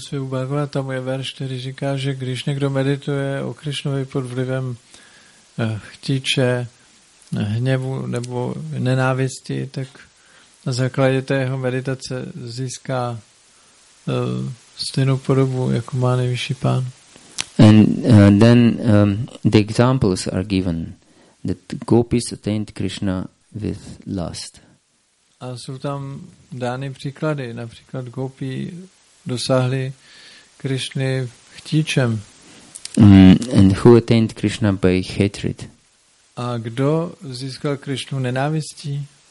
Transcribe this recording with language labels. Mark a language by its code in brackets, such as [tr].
[cs] svihu Bhagavatam je verš, který říká, že když někdo medituje o Krišnovi pod vlivem chtíče, hněvu nebo nenávisti, tak na základě tého meditace získá stejnou podobu, jako má nejvyšší pán. [en] And then the examples are given that gopis attained Krishna with lust. [cs] A jsou tam dány příklady, například gopi dosáhli Krishny chtíčem. [en] And who attained Krishna by hatred? [cs] A kdo získal Krishnu nenávistí?